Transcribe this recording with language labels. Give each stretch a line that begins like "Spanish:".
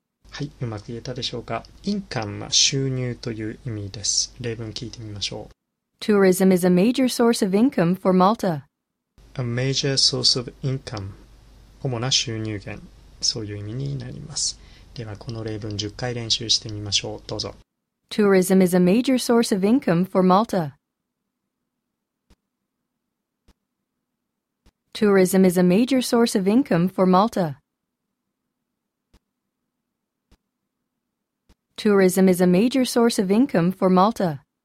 Japanese: はい、うまく言えたでしょうか。Income、収入という意味です。例文聞いてみましょう。
English: Tourism is a major source of income for Malta. A major source of income。
Japanese: 主な収入源。そういう意味になります。ではこの例文10回練習してみましょう。どうぞ。
English: Tourism is a major source of income for Malta. Tourism is a major source of income for Malta. Tourism is a major source of income for Malta.